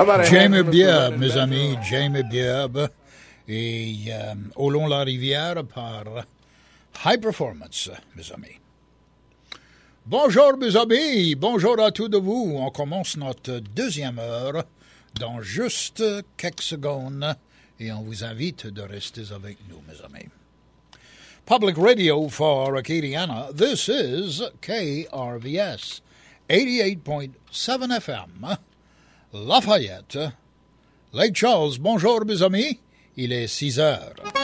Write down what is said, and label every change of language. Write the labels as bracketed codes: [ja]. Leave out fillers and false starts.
[fr] Jamie Bjerg, mes amis, Jamie Bjerg, et Au long la rivière par High Performance, mes amis. Bonjour, mes amis, bonjour à tous de vous. On commence notre deuxième heure dans juste quelques secondes et on vous invite de rester avec nous, mes amis. [en] Public Radio for Acadiana, this is KRVS 88.7 FM. [fr] Lafayette, Lake Charles, bonjour mes amis, il est 6 heures.